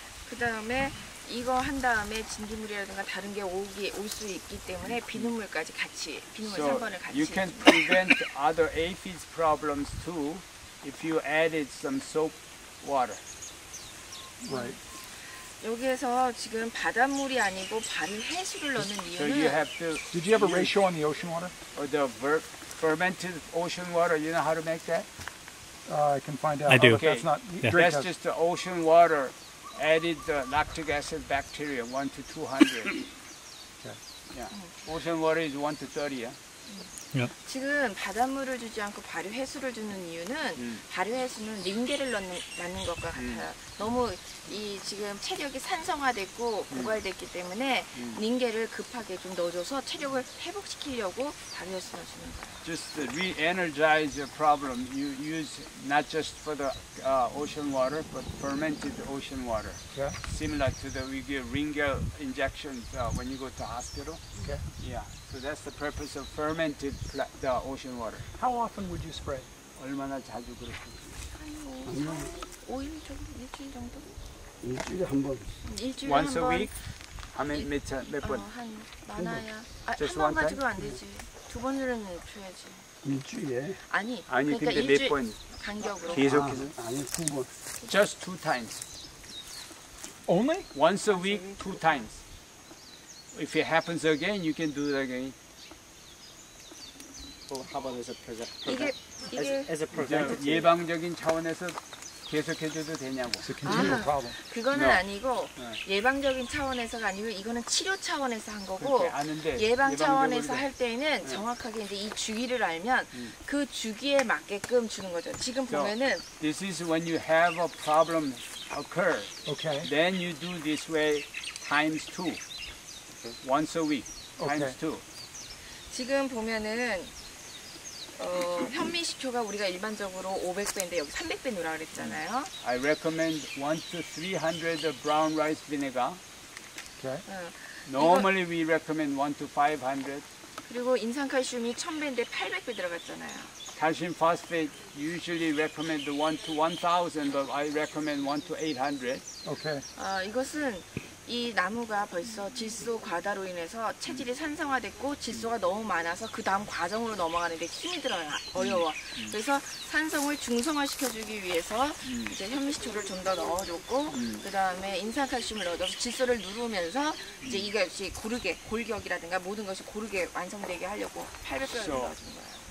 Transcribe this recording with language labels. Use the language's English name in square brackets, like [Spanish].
[Korean] 그다음에 이거 한 다음에 진기물이라든가 다른 게 오기 올 수 있기 때문에 비눗물까지 같이 비눗물 [English] so [Korean] 3번을 같이. [English] You can prevent other aphids problems too if you added some soap water. Right. [Korean] 여기에서 지금 바닷물이 아니고 바늘 해수를 넣는 이유는 [English] so you have to, Did you have a ratio on the ocean water? Or the fermented ocean water, you know how to make that? I can find out. I do. Okay. That's not, yeah. That's just the ocean water added the lactic acid bacteria, 1 to 200. Okay. Yeah. Ocean water is 1 to 30, yeah? Yeah. [Korean] 지금 바닷물을 주지 않고 발효 해수를 주는 이유는 발효 해수는 링겔을 넣는 것과 같아요. 너무 이 지금 체력이 산성화됐고 고갈됐기 때문에 링겔을 급하게 좀 넣어줘서 체력을 회복시키려고 발효 해수를 주는 거예요. [English] Just re-energize your problem. You use not just for the ocean water, but fermented ocean water. Yeah. Similar to the we give ringel injections when you go to hospital. Okay. Yeah. So that's the purpose of fermented the ocean water. How often would you spray? [Korean] 얼마나 자주 그렇게? 한 5일 정도, 일주일 정도? 일주일에 한 번. 일주일에 한 번. [English] Once a [Korean] 번. [English] week? How many? [Korean] 몇 번? 한 많아야. 한 번 가지고 안 되지. 두 번으로는 줘야지. 일주일에? 아니. 아니 그러니까 근데 몇 번? 간격으로. 계속해서? 아, 아니 두 번. [English] Just two times. Only? Once a week, two times. If it happens again, you can do it again. Well, how about as a preventative? [Korean] 예방적인 차원에서 계속해줘도 되냐고. [English] It's a continual problem. [Korean] 그거는 아니고 예방적인 차원에서가 아니고 이거는 치료 차원에서 한 거고 아는데, 예방 차원에서 할 때에는 네. 정확하게 이제 이 주기를 알면 그 주기에 맞게끔 주는 거죠. 지금 [English] so, [Korean] 보면은 [English] This is when you have a problem occur. Okay. Then you do this way times two. Once a week, times okay. two. [Korean] 지금 보면은 현미식초가 우리가 일반적으로 500배인데 여기 300배 넣으라 그랬잖아요. [English] I recommend 1 to 300 of brown rice vinegar. Okay. Normally we recommend 1 to 500. [Korean] 그리고 인산칼슘이 1000배인데 800배 들어갔잖아요. [English] Calcium phosphate usually recommend 1 to 1000, but I recommend 1 to 800. Okay. [Korean] 이것은 이 나무가 벌써 질소 과다로 인해서 체질이 산성화됐고 질소가 너무 많아서 그 다음 과정으로 넘어가는데 힘이 들어요. 어려워. 그래서 산성을 중성화시켜주기 위해서 이제 현미식초를 좀 더 넣어줬고 그 다음에 인산칼슘을 넣어줘서 질소를 누르면서 이제 이것이 고르게 골격이라든가 모든 것이 고르게 완성되게 하려고 800배를 넣어준 거예요.